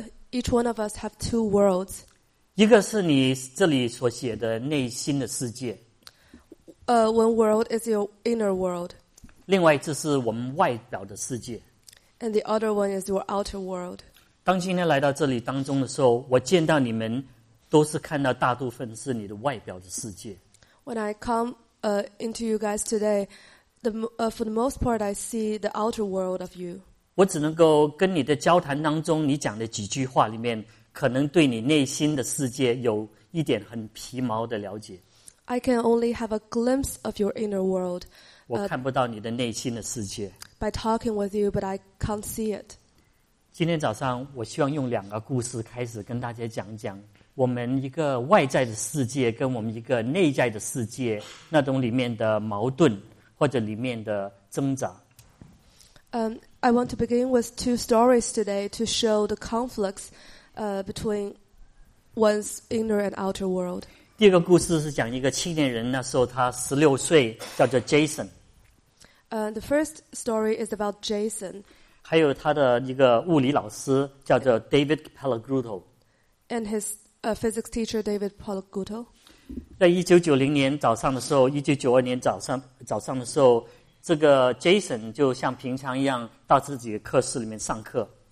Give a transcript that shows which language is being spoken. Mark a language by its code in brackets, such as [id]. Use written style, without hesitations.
[en] Each one of us have two worlds. [zh] 一个是你这里所写的内心的世界。 [en] One world is your inner world. [zh] 另外就是我们外表的世界。 [en] And the other one is your outer world. [zh] 当今天来到这里当中的时候，我见到你们都是看到大部分是你的外表的世界。 [en] When I come into you guys today, for the most part I see the outer world of you. [zh] 我只能够跟你的交谈当中你讲的几句话里面可能对你内心的世界有一点很皮毛的了解。 [en] I can only have a glimpse of your inner world. [zh] 我看不到你的内心的世界。 [en] By talking with you, but I can't see it. [zh] 今天早上我希望用两个故事开始跟大家讲讲我们一个外在的世界跟我们一个内在的世界那种里面的矛盾或者里面的挣扎。 [en] I want to begin with two stories today to show the conflicts between one's inner and outer world. [zh] 第一个故事是讲一个青年人，那时候他16岁，叫做 Jason。 [en] The first story is about Jason. [zh] 还有他的一个物理老师叫做 David Palagruto。 [en] And his physics teacher David Palagruto. [zh] 在1992年早上的时候，这个 Jason 就像平常一样到自己的课室里面上课。